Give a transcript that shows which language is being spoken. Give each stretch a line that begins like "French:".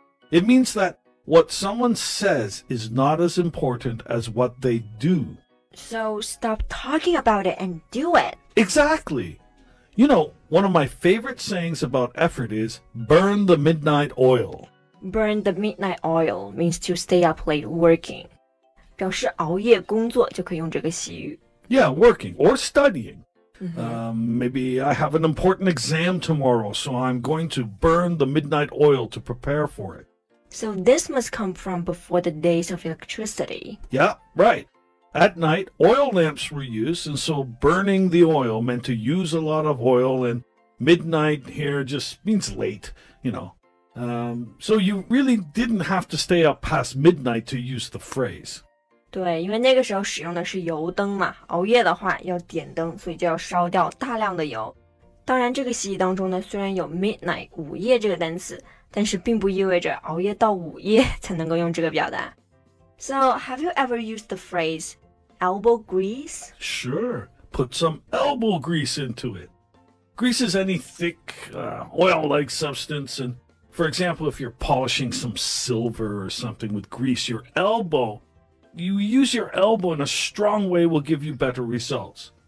English: It means thatWhat someone says is not as important as what they do. So stop talking about it and do it. Exactly. You know, one of my favorite sayings about effort is burn the midnight oil. Burn the midnight oil means to stay up late working.
Chinese: 表示熬夜工作就可以用这个习语。
English: Yeah, working or studying. Mm-hmm. Maybe I have an important exam tomorrow, so I'm going to burn the midnight oil to prepare for it. So this must come from before the days of electricity. Yeah, right. At night, oil lamps were used, and so burning the oil meant to use a lot of oil, and midnight here just means late, you know. So you really didn't have to stay up past midnight to use the phrase.
Chinese: 对，因为那个时候使用的是油灯嘛，熬夜的话要点灯，所以就要烧掉大量的油。当然，这个习语当中呢，虽然有 midnight 午夜这个单词，但是并不意味着熬夜到午夜才能够用这个表达。
English: So, have you ever used the phrase elbow grease? Sure, put some elbow grease into it. Grease is any thick, oil-like substance, and for example, if you're polishing some silver or something with grease, your elbow, you use your elbow in a strong way will give you better results.